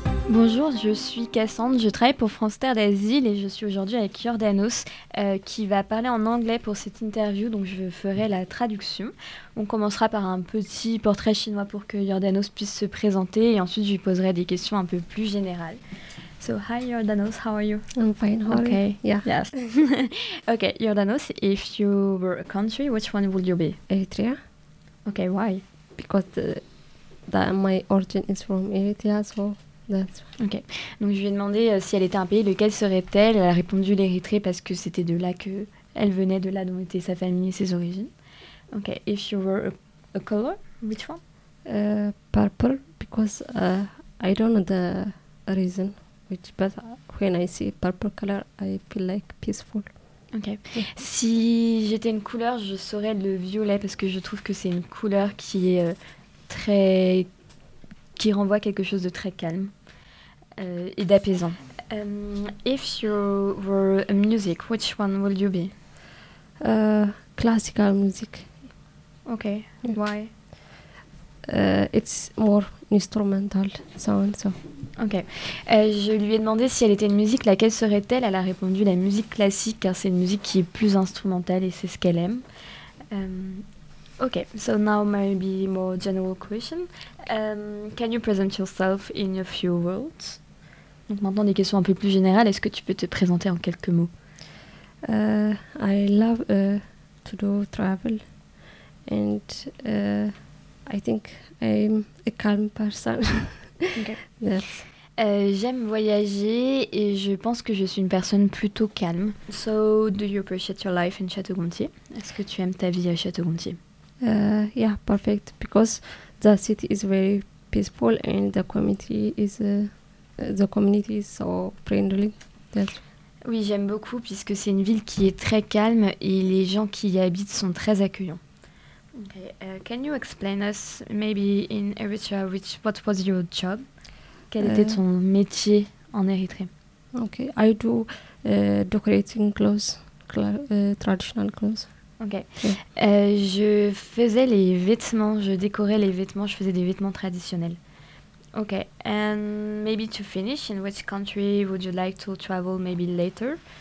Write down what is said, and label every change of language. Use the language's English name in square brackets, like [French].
[French] Bonjour, je suis Cassandre, je travaille pour France Terre d'Asile et je suis aujourd'hui avec Giordanos qui va parler en anglais pour cette interview, donc je ferai la traduction. On commencera par un petit portrait chinois pour que Giordanos puisse se présenter et ensuite je lui poserai des questions un peu plus générales. [English] So, hi Giordanos, how are you? I'm fine, how are okay. you? Okay, yeah. Yes. Okay, Giordanos, if you were a country, which one would you be? Eritrea. Okay, why? Because that my origin is from Eritrea, so... That's right. Ok. [French] Donc je lui ai demandé si elle était un pays, lequel serait-elle? Elle a répondu l'Érythrée parce que c'était de là que elle venait, de là dont était sa famille et ses origines. [English] Ok. If you were a color, which one? Purple, because I don't know the reason, which but when I see purple color, I feel like peaceful. Ok. Yeah. [French] Si j'étais une couleur, je serais le violet parce que je trouve que c'est une couleur qui est très qui renvoie quelque chose de très calme et d'apaisant. [English] If you were a music, which one would you be? Classical music. Okay, yeah. Why? It's more instrumental sound, so. Okay. [French] Je lui ai demandé si elle était une musique, laquelle serait-elle? Elle a répondu la musique classique, car c'est une musique qui est plus instrumentale et c'est ce qu'elle aime. [English] Okay, so now maybe more general question. Can you present yourself in a few words? [French] Donc maintenant des questions un peu plus générales. Est-ce que tu peux te présenter en quelques mots? [English] I love to do travel, and I think I'm a calm person. Okay. Yes. [French] J'aime voyager et je pense que je suis une personne plutôt calme. [English] So, do you appreciate your life in Château-Gontier? [French] Est-ce que tu aimes ta vie à Château-Gontier? [English] Yeah, perfect, because the city is very peaceful and the community is so friendly. That's... [French] Oui, j'aime beaucoup puisque c'est une ville qui est très calme et les gens qui y habitent sont très accueillants. [English] Okay, can you explain us maybe in Eritrea which what was your job? [French] Quel était ton métier en Érythrée? [English] Okay, I do decorating clothes, traditional clothes. Ok. [French] Je faisais les vêtements, je décorais les vêtements, je faisais des vêtements traditionnels. Ok. [English] And maybe to finish, in which country would you like to travel maybe later?